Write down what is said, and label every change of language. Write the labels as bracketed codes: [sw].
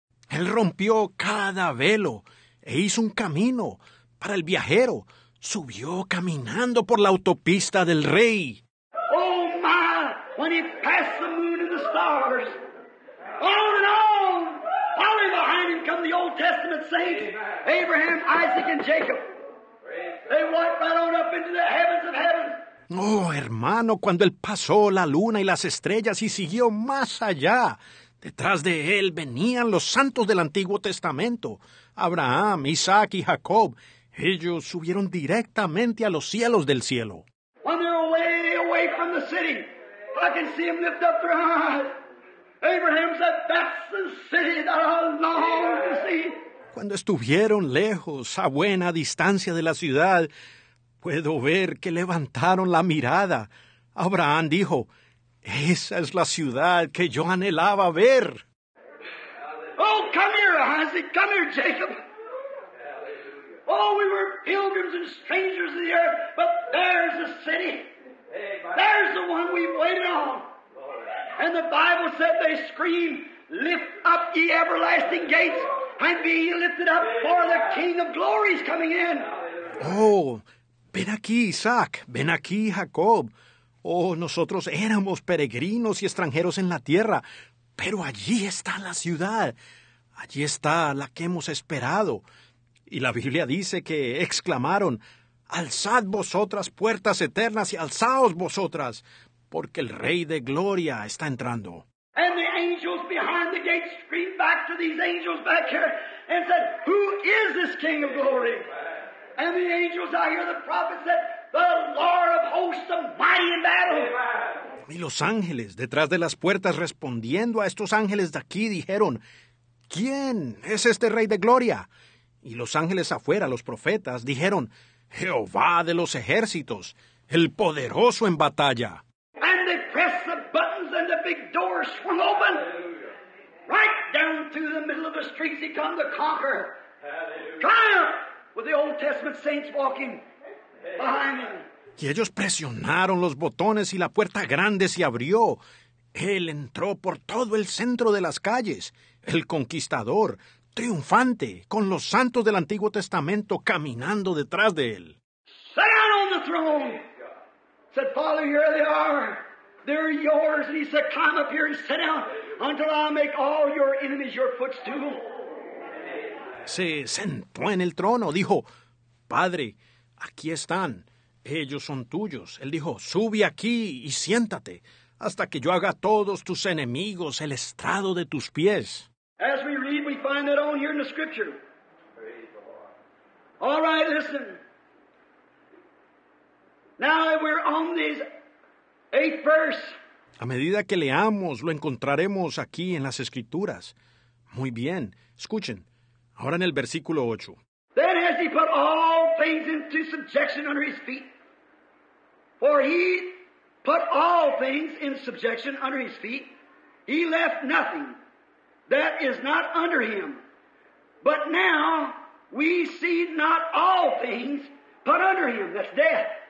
[es] Él rompió cada velo e hizo un camino para el viajero. Subió caminando por la autopista del rey. [en] Oh, my, when he passed the moon and the stars. On and on, following behind him come the Old Testament saints, Abraham, Isaac, and Jacob. They walked right on up into the heavens of heaven. [es] Oh, hermano, cuando él pasó la luna y las estrellas y siguió más allá, detrás de él venían los santos del Antiguo Testamento, Abraham, Isaac y Jacob. Ellos subieron directamente a los cielos del cielo. [en] When they're away from the city, I can see them lift up their eyes. Abraham said, that's the city that I long to see. [es] Cuando estuvieron lejos, a buena distancia de la ciudad, puedo ver que levantaron la mirada. Abraham dijo, esa es la ciudad que yo anhelaba ver. [en] Oh, come here, Isaac. Come here, Jacob. Oh, we were pilgrims and strangers in the earth, but there's the city. There's the one we've waited on. And the Bible said they scream, lift up ye everlasting gates, and be ye lifted up, for the King of Glory is coming in. [es] Oh, ven aquí, Isaac. Ven aquí, Jacob. Oh, nosotros éramos peregrinos y extranjeros en la tierra, pero allí está la ciudad. Allí está la que hemos esperado. Y la Biblia dice que exclamaron, alzad vosotras puertas eternas y alzaos vosotras, porque el Rey de Gloria está entrando. [en] And the angels behind the gate screamed back to these angels back here and said, who is this King of Glory? And the angels, I hear the prophet said, the Lord of hosts, the mighty in battle. [es] Y los ángeles detrás de las puertas respondiendo a estos ángeles de aquí dijeron, ¿quién es este Rey de Gloria? Y los ángeles afuera, los profetas, dijeron, Jehová de los ejércitos, el poderoso en batalla. [en] And they pressed the buttons and the big door swung open. Hallelujah. Right down through the middle of the streets he come to conquer. Hallelujah. Triumph with the Old Testament saints walking behind him. [es] Y ellos presionaron los botones y la puerta grande se abrió. Él entró por todo el centro de las calles, el conquistador, triunfante, con los santos del Antiguo Testamento caminando detrás de él. [en] Sit down on the throne. Said, Father, here they are. They're yours. And he said, climb up here and sit down until I make all your enemies your footstool. [es] Se sentó en el trono. Dijo, Padre, aquí están. Ellos son tuyos. Él dijo, sube aquí y siéntate hasta que yo haga a todos tus enemigos el estrado de tus pies. [en] As we read, we find that on here in the scripture. All right, listen. Now that we're on this eighth verse. [es] A medida que leamos, lo encontraremos aquí en las escrituras. Muy bien. Escuchen. Ahora en el versículo 8. [en] Then has he put all things into subjection under his feet. For he put all things in subjection under his feet. He left nothing that is not under him. But now we see not all things put under him. That's death.